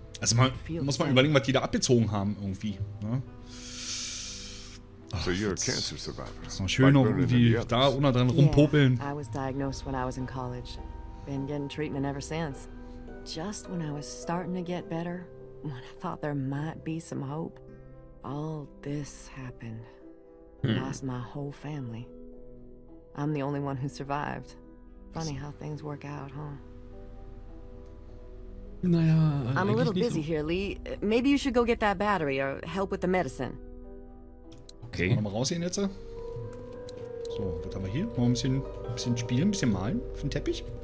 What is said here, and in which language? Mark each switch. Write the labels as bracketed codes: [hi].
[de] Also man, muss man überlegen, was die da abgezogen haben irgendwie. Ja. [en] Ach, so you're a cancer survivor. [de] Das ist noch schön, like irgendwie da unten dran rumpopeln. [en] Yeah, I was diagnosed when I was in college. Been getting treatment ever since. Just when I was starting to get better, when I thought there might be some hope, all this happened. Hm. Lost my whole family. I'm the only one who survived. Funny how things work out, huh? [de] Naja, [en] I'm a little busy here, Lee. Maybe you should go get that battery or help with the medicine. [de] Okay. Mal rausgehen jetzt. So, was haben wir hier? Mal ein bisschen spielen, ein bisschen malen auf dem Teppich.